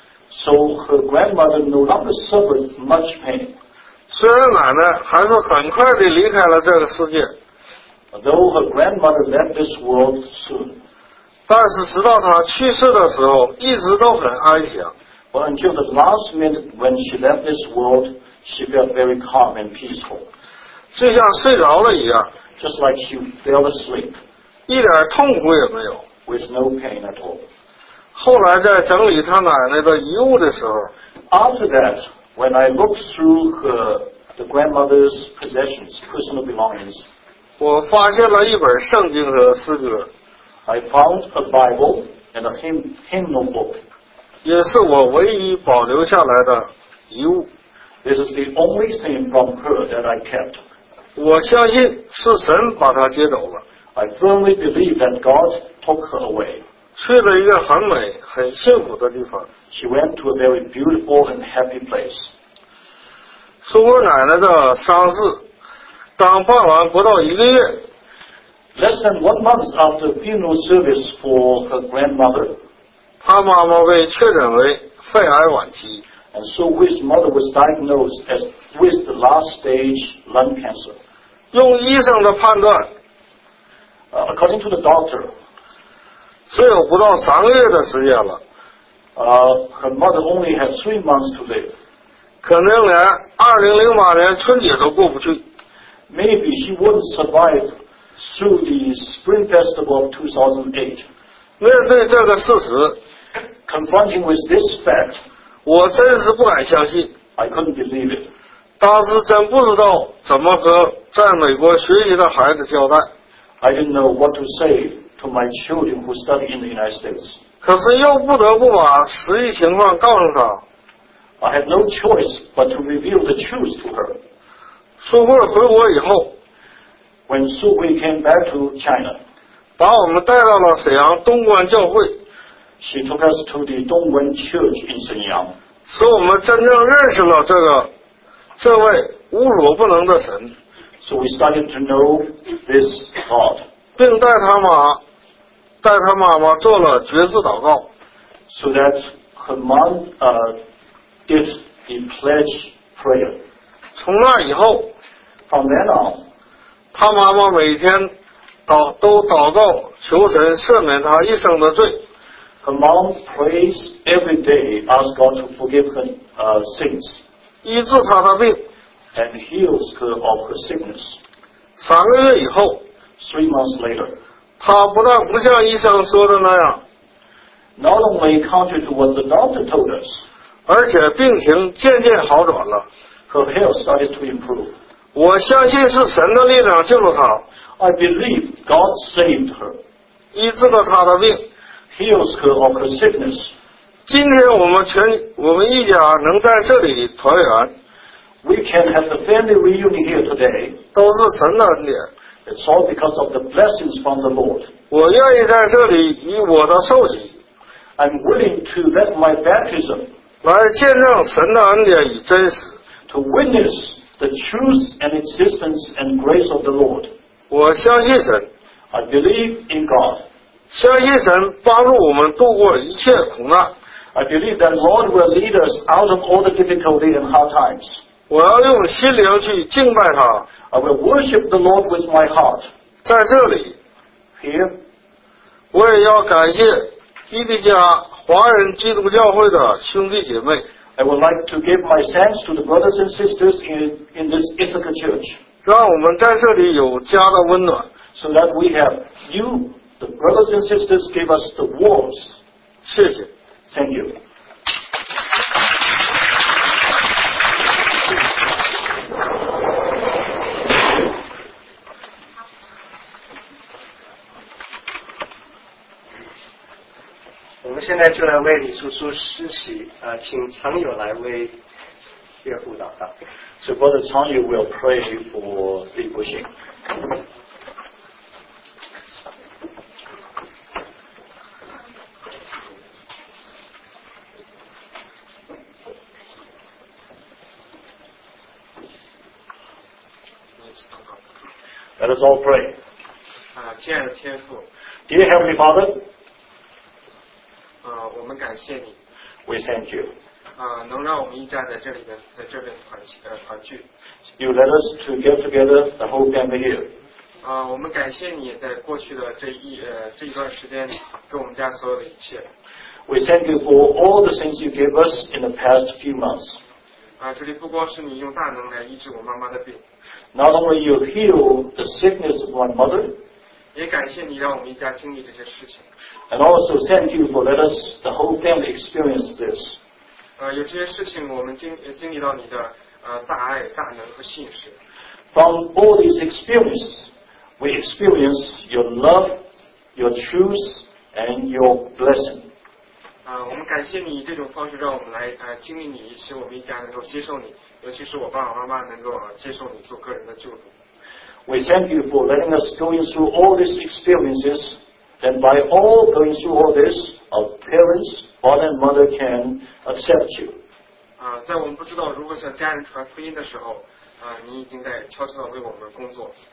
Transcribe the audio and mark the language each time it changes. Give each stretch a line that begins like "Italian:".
English: So her grandmother no longer suffered much pain.
Chinese: 虽然奶奶还是很快地离开了这个世界。
English: Though her grandmother left this world soon.
Chinese: 但是直到她去世的时候一直都很安详。
English: But until the last minute when she left this world, she felt very calm and peaceful.
Chinese: 就像睡着了一样。
English: Just like she fell asleep.
Chinese: 一点痛苦也没有。
English: With no pain at all.
Chinese: 后来在整理他奶奶的遗物的时候
English: After that, when I looked through the grandmother's possessions, personal belongings,
Chinese: 我发现了一本圣经和诗歌
English: I found a Bible and a hymnal book.
Chinese: 也是我唯一保留下来的遗物
English: This is the only thing from her that I kept.
Chinese: 我相信是神把她接走了
English: I firmly believe that God took her away.
Chinese: 去了一个很美很幸福的地方
English: She went to a very beautiful and happy place
Chinese: 苏慧奶奶的丧事刚办完不到一个月
English: Less than one month after funeral service for her grandmother
Chinese: 她妈妈被确诊为肺癌晚期
English: And so his mother was diagnosed as with the last stage lung cancer.
Chinese: 用医生的判断
English: according to the doctor,
Chinese: 只有不到三个月的时间了
English: her mother only had 3 months to live.
Chinese: 可能连2008年春节都过不去。
English: Maybe she wouldn't survive through the Spring Festival of 2008.
Chinese: 面对这个事实
English: confronting with this fact,
Chinese: 我真是不敢相信。
English: I couldn't believe it.
Chinese: 当时真不知道怎么和在美国学习的孩子交代。
English: I didn't know what to say to my children who study in the United States.
Chinese: 可是又不得不把实际情况告诉他。
English: I had no choice but to reveal the truth to her.
Chinese: 苏慧回国以后
English: When Su Hui came back to China,
Chinese: 把我们带到了沈阳东关教会
English: She took us to the Dongguan Church in Shenyang,
Chinese: 使我们真正认识了这位侮辱不能的神
English: So we started to know this God,
Chinese: 并带他妈妈做了决志祷告
English: So that her mom did the pledge prayer.
Chinese: 从那以后
English: From then on,
Chinese: 他妈妈每天都祷告求神赦免他一生的罪。
English: Her mom prays every day, ask God to forgive her sins.
Chinese: 医治他的病。
English: And heals her of her sickness.
Chinese: 三个月以后
English: Three months later.
Chinese: 他不但不像医生说的那样
English: Not only contrary to what the doctor told us.
Chinese: 而且病情渐渐好转了。
English: Her health started to improve.
Chinese: 我相信是神的力量救了他。
English: I believe God saved her.
Chinese: 医治了他的病。
English: Heals her of her sickness.
Chinese: 今天我们一家能在这里团圆。
English: We can have the family reunion here today.
Chinese: 都是神的恩典。
English: It's all because of the blessings from the Lord.
Chinese: 我愿意在这里以我的受洗。
English: I'm willing to let my baptism.
Chinese: 来见证神的恩典与真实。
English: To witness. The truth and existence and grace of the Lord.
Chinese: 我相信神。
English: I believe in God.
Chinese: 相信神帮助我们度过一切苦难。
English: I believe that Lord will lead us out of all the difficulty and hard times.
Chinese: 我要用心灵去敬拜他。
English: I will worship the Lord with my heart.
Chinese: 在这里。
English: Here.
Chinese: 我也要感谢伊迪加华人基督教会的兄弟姐妹。
English: I would like to give my thanks to the brothers and sisters in this Issachar Church.
Chinese: 让我们在这里有家的温暖。
English: So that we have you, the brothers and sisters, give us the warmth.
Chinese: 谢谢。
English: Thank you.
Chinese: 现在就来为李叔叔施洗、请常友来为岳父祷告。
English: So Brother Chang Yu will pray for Li Guoxing. Let us all pray.
Chinese: 亲爱的天父
English: Dear Heavenly Father.
Chinese: 我们感谢你
English: We thank you
Chinese: 能让我们一家在这里边在这边 团聚
English: You let us to get together the whole family here
Chinese: 我们感谢你在过去的这一段时间给我们家所有的一切
English: We thank you for all the things you gave us in the past few months
Chinese: 这里不光是你用大能来医治我妈妈的病
English: Not only you heal the sickness of my mother And also thank you for letting us, the whole family, experience this.
Chinese: 有这些事情我们经历到你的大爱、大能和信实。
English: From all these experiences, we experience your love, your truth, and your blessing.
Chinese: 我们感谢你这种方式让我们来经历你，使我们一家能够接受你，尤其是我爸爸妈妈能够接受你做个人的救主。
English: We thank you for letting us go through all these experiences, and by all going through all this, our parents, father and mother can accept you.
Chinese: 在我们不知道如何向家人传福音的时候，你已经在悄悄地为我们工作。